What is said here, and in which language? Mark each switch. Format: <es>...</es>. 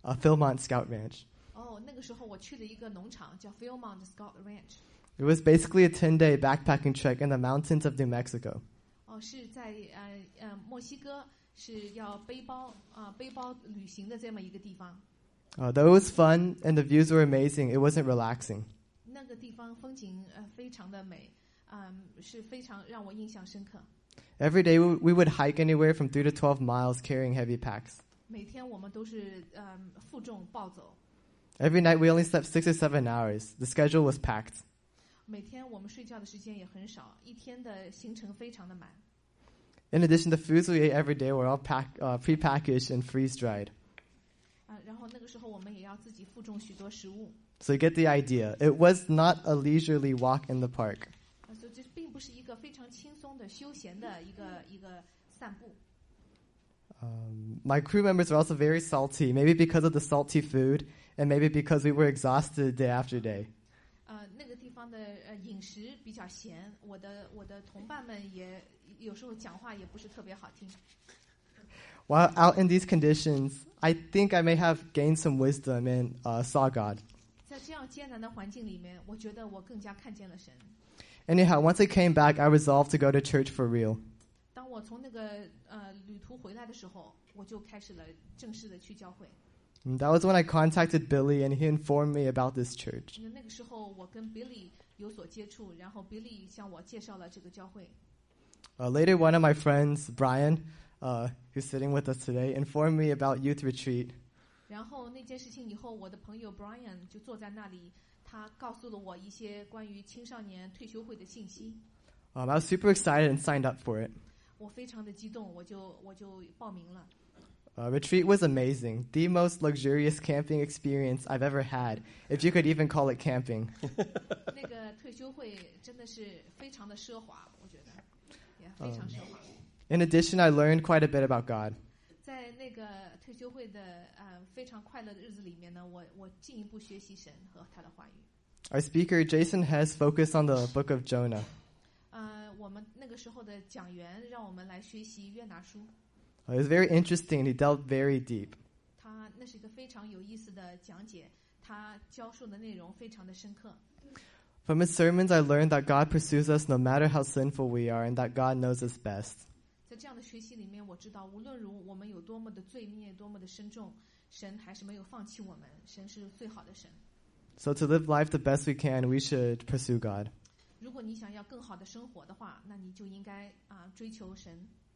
<en>Philmont Scout Ranch.</en> <zh>那个时候我去了一个农场叫 Philmont Scout Ranch.</zh> <en>It was basically a 10-day backpacking trek in the mountains of New Mexico.</en> <zh>是在墨西哥，是要背包旅行的这么一个地方。</zh> <en>Though it was fun and the views were amazing, it wasn't relaxing.</en> <zh>那个地方风景非常的美，是非常让我印象深刻。</zh> <en>Every day we would hike anywhere from 3 to 12 miles carrying heavy packs.</en> <zh>每天我们都是负重暴走。</zh> <en>Every night we only slept 6 or 7 hours. The schedule was packed.</en> <zh>每天我们睡觉的时间也很少，一天的行程非常的满。</zh> <en>In addition, the foods we ate every day were all prepackaged and freeze-dried.</en> <zh>然后那个时候我们也要自己负重许多食物。</zh> <en>So you get the idea. It was not a leisurely walk in the park. So this</en> <zh>并不是一个非常轻松的休闲的一个散步。</zh> <en>My crew members were also very salty, maybe because of the salty food, and maybe because we were exhausted day after day.</en> <zh>那个地方的饮食比较咸，我的同伴们也有时候讲话也不是特别好听。</zh> <en>While out in these conditions, I think I may have gained some wisdom and saw God.</en> <zh>在这样艰难的环境里面，我觉得我更加看见了神。</zh> <en>Anyhow, once I came back, I resolved to go to church for real.</en> <zh>当我从那个旅途回来的时候，我就开始了正式的去教会。</zh> <en>And that was when I contacted Billy, and he informed me about this church.</en> <zh>那个时候我跟 Billy 有所接触，然后 Billy 向我介绍了这个教会。</zh> <en>Later, one of my friends, Brian, who's sitting with us today, informed me about youth retreat.</en> <zh>然后那件事情以后，我的朋友 Brian 就坐在那里，他告诉了我一些关于青少年退休会的信息。</zh> <en>I was super excited and signed up for it.</en> <zh>我非常的激动，我就报名了。</zh> <en>Retreat was amazing. The most luxurious camping experience I've ever had, if you could even call it camping.</en> <zh>那个退休会真的是非常的奢华，我觉得，非常奢华。</zh> <en>In addition, I learned quite a bit about God.</en> <zh>在那个退休会的非常快乐的日子里面呢，我进一步学习神和他的话语。</zh> <en>Our speaker Jason Hess focused on the book of Jonah.</en> <zh>我们那个时候的讲员让我们来学习约拿书。</zh> <en>It was very interesting. He delved very deep.</en> <zh>他那是一个非常有意思的讲解，他教授的内容非常的深刻。</zh> <en>From his sermons, I learned that God pursues us no matter how sinful we are, and that God knows us best.</en> <zh>在这样的学习里面，我知道无论如我们有多么的罪孽，多么的深重，神还是没有放弃我们。神是最好的神。</zh> <en>So to live life the best we can, we should pursue God.</en> <zh>如果你想要更好的生活的话，那你就应该追求神。</zh>